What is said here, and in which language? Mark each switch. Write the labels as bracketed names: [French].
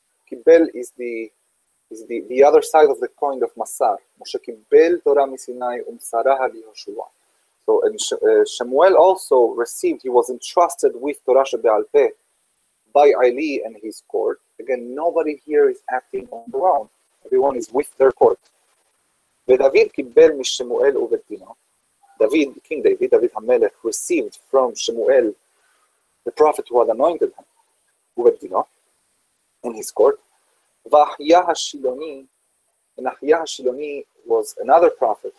[English] Kibbel is the other side of the coin of Masar. [Hebrew] Moshe kibbel Torah misinai umsaraha liYehoshua. [English] So and Shemuel also received, he was entrusted with Torah she'be'al peh by Eli and his court. Again, nobody here is acting on their own. Everyone is with their court. [Hebrew] ודוד קיבל משמואל ובתינו. [English] David, King David, David HaMelech, received from Shemuel, the prophet who had anointed him, [Hebrew] ובתינו, [English] in his court. ואחיה השילוני, and אחיה השילוני was another prophet.